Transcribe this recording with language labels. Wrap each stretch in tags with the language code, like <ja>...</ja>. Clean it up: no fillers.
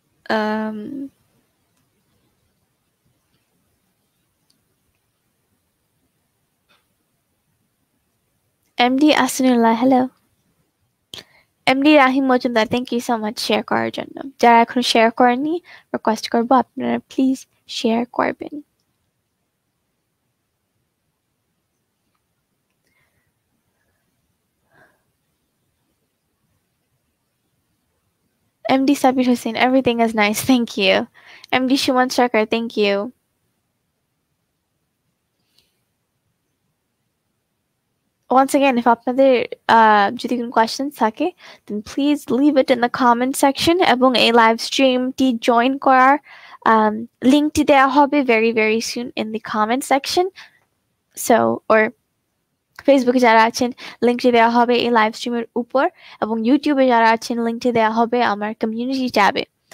<en>MD Asanullah, hello. MD Rahim Mojumdar, thank you so much.</en> <bn>Share করার জন্য যারা এখনো শেয়ার করেনি, রিকোয়েস্ট করবো আপনারা প্লিজ শেয়ার করবেন।</bn> <en>MD Sabir Hussein, everything is nice, thank you. MD Shuman Shakar, thank you. Once again, if</en> <bn>আপনাদের যদি কোনো কোয়েশ্চেন থাকে,</bn> <en>then please leave it in the comment section.</en> <bn>এবং এই লাইভ স্ট্রিমটি জয়েন করার লিঙ্কটি দেওয়া হবে</bn> <en>very very soon in the comment section.</en> <bn>So, or ফেসবুকে যারা আছেন লিঙ্কটি দেওয়া হবে এই লাইভ স্ট্রিমের উপর, এবং ইউটিউবে যারা আছেন লিঙ্কটি দেওয়া হবে আমার কমিউনিটি ট্যাবে।</bn>